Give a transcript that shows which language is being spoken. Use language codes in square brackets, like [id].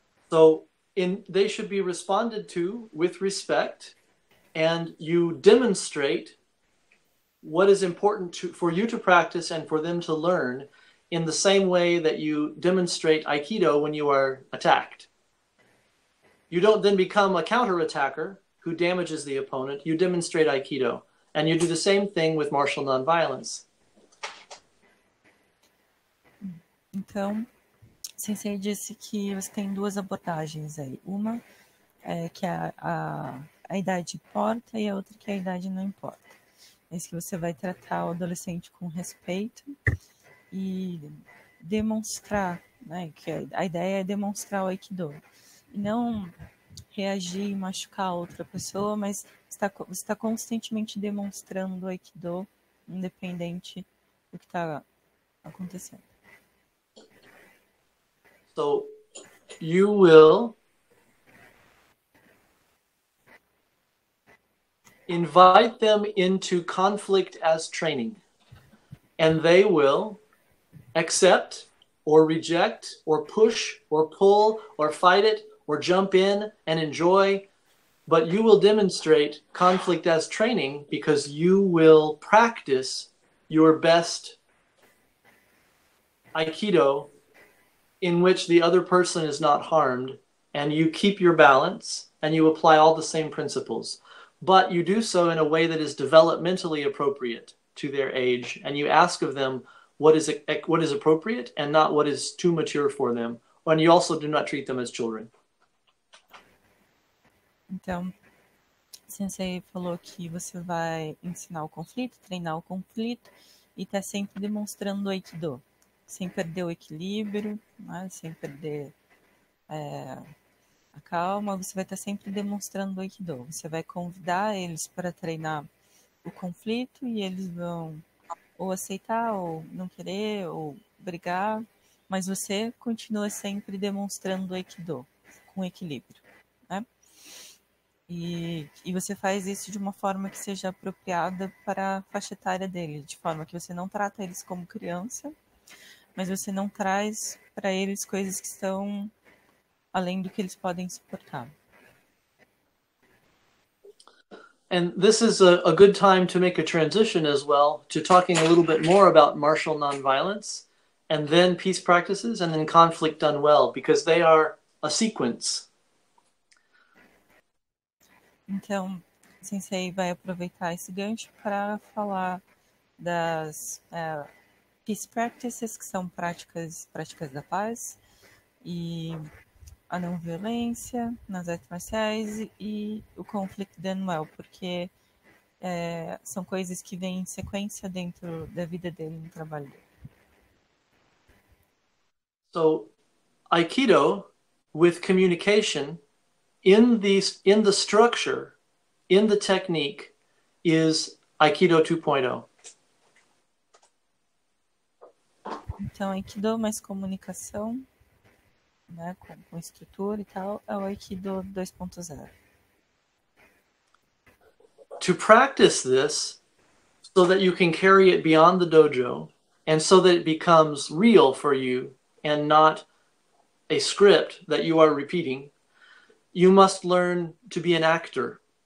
[en] So they should be responded to with respect, and you demonstrate what is important for you to practice and for them to learn in the same way that you demonstrate Aikido when you are attacked. You don't then become a counterattacker who damages the opponent. You demonstrate Aikido, and you do the same thing with martial nonviolence. [pt] Então, Sensei disse que você tem duas abordagens aí. Uma é que a idade importa e a outra que a idade não importa. É isso que você vai tratar o adolescente com respeito e demonstrar, né, que a ideia é demonstrar o Aikido. E não reagir e machucar a outra pessoa, mas você está constantemente demonstrando o Aikido, independente do que está acontecendo. [en] So, you will invite them into conflict as training, and they will accept or reject or push or pull or fight it or jump in and enjoy, but you will demonstrate conflict as training because you will practice your best Aikido in which the other person is not harmed, and you keep your balance and you apply all the same principles, but you do so in a way that is developmentally appropriate to their age, and you ask of them what is appropriate and not what is too mature for them. And you also do not treat them as children. [pt] Então, Sensei falou que você vai ensinar o conflito, treinar o conflito e tá sempre demonstrando o Aikido, sem perder o equilíbrio, né? Sem perder a calma, você vai estar sempre demonstrando o Aikido. Você vai convidar eles para treinar o conflito e eles vão ou aceitar ou não querer ou brigar, mas você continua sempre demonstrando o Aikido com equilíbrio, né? E você faz isso de uma forma que seja apropriada para a faixa etária dele, de forma que você não trata eles como criança, mas você não traz para eles coisas que estão além do que eles podem suportar. [en] And this is a good time to make a transition as well to talking a little bit more about martial nonviolence and then peace practices and then conflict done well, because they are a sequence. [pt] Então, Sensei vai aproveitar esse gancho para falar das [en] peace practices, [pt] que são práticas da paz, e a não violência nas artes marciais e o [en] conflict done well, [pt] porque são coisas que vêm em sequência dentro da vida dele no trabalho dele. [en] So, Aikido with communication in the structure, in the technique, is Aikido 2.0. [pt] Então, Aikido mais comunicação, né, com estrutura e tal, é o Aikido 2.0. [en] To practice this so that you can carry it beyond the dojo and so that it becomes real for you and not a script that you are repeating, you must learn to be an actor.